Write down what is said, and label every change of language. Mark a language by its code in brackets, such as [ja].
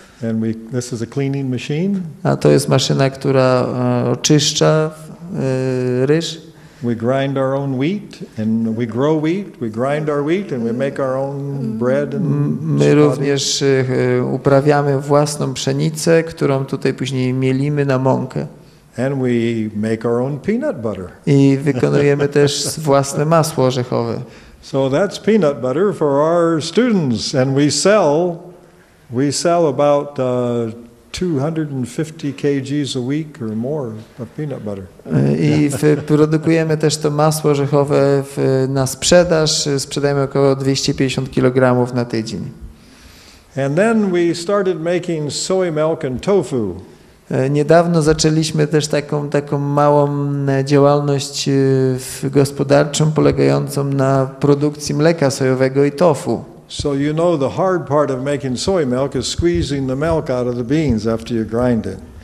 [en] And this is a cleaning machine. [pl] A to jest maszyna, która oczyszcza ryż. [en] We grind our own wheat and we grow wheat. We grind our wheat and we make our own bread and [pl] my również uprawiamy własną pszenicę, którą tutaj później mielimy na mąkę. [en] And we make our own peanut butter. [pl] I wykonujemy też własne masło orzechowe. [en] So that's peanut butter for our students and we sell about 250 kgs a week or more of peanut butter. [pl] I produkujemy też to masło orzechowe na sprzedaż. Sprzedajemy około 250 kg na tydzień. [en] And then we started making soy milk and tofu. [pl] Niedawno zaczęliśmy też taką małą działalność gospodarczą polegającą na produkcji mleka sojowego i tofu. [en] So you know the hard part of making soy milk is squeezing the milk out of the beans after you grind it.